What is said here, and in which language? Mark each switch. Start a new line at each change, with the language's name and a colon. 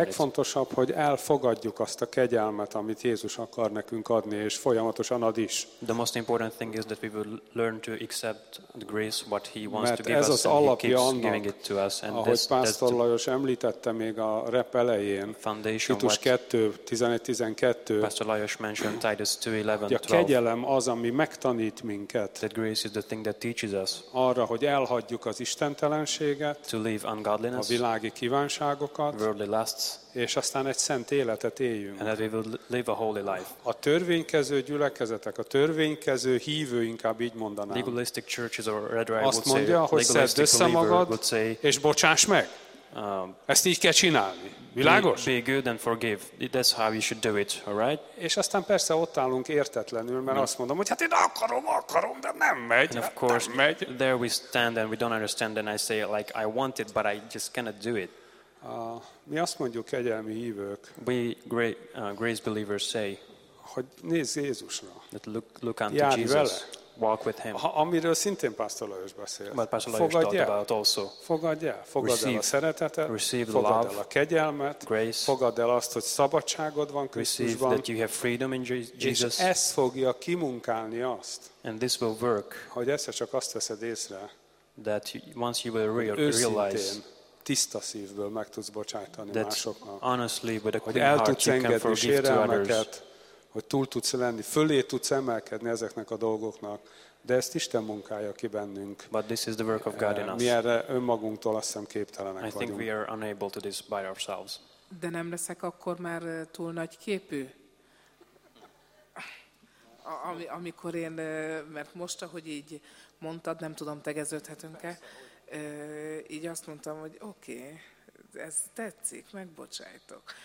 Hungarian: A legfontosabb, hogy elfogadjuk azt a kegyelmet, amit Jézus akar nekünk adni, és folyamatosan ad is.
English: The most important thing is that we will learn to accept the grace what he wants.
Hungarian: Mert
English: to give us,
Hungarian: az alapja
English: and he keeps giving it to us. And
Hungarian: ahogy Pásztor Lajos említette még a rep elején, Titus 2:11-12,
English: Pastor Lajos mentioned Titus 2:11-12,
Hungarian: a kegyelem az, ami megtanít minket,
English: that grace is the thing that teaches us,
Hungarian: arra, hogy elhagyjuk az istentelenséget,
English: to leave ungodliness,
Hungarian: a világi kívánságokat,
English: worldly lusts,
Hungarian: és aztán egy szent életet éljünk.
English: And that we will live a holy life.
Hungarian: A törvénykező gyülekezetek, a törvénykező hívő, inkább így mondanám,
English: legalistic churches or rather I would
Hungarian: azt mondja,
English: say,
Hungarian: hogy szedd össze magad,
English: say,
Hungarian: és bocsáss meg. Ezt így kell csinálni. Világos?
English: Be good and forgive. That's how you should do it, all right?
Hungarian: És aztán persze ott állunk értetlenül, mert azt mondom, hogy hát én akarom, de nem megy.
English: And of course, there we stand and we don't understand and I say like I want it but I just cannot do it.
Hungarian: Mi azt mondjuk kegyelmi hívők.
English: We grace believers say.
Hungarian: Hogy nézz Jézusra.
English: That look unto Jézus. Jézus.
Hungarian: Vele.
English: Walk with him.
Hungarian: Amiről szintén Pásztor Lajos beszélt.
English: But Pastor Lajos talked about also.
Hungarian: Fogadj el a szeretetet,
English: receive
Hungarian: fogadj
English: love,
Hungarian: el a kegyelmet,
English: grace,
Hungarian: fogadj el azt, hogy szabadságod van Krisztusban,
English: receive that you have freedom in Jesus.
Hungarian: És ez fogja kimunkálni azt,
English: and this will work,
Hungarian: hogy egyszer csak azt veszed észre,
English: that once you will realize,
Hungarian: tiszta szívből meg tudsz bocsájtani másoknak,
English: honestly, with a
Hungarian: hogy el tudsz engedni sérelmeket, hogy túl tudsz lenni, fölé tudsz emelkedni ezeknek a dolgoknak, de ezt Isten munkája ki bennünk.
English: But this is the work of God in us.
Hungarian: Mi erre önmagunktól azt hiszem képtelenek vagyunk.
English: I think we are unable to this by ourselves.
Hungarian: De nem leszek akkor már túl nagy képű? Amikor én, mert most, ahogy így mondtad, nem tudom, tegeződhetünk-e, így azt mondtam, hogy okay, ez tetszik, megbocsájtok.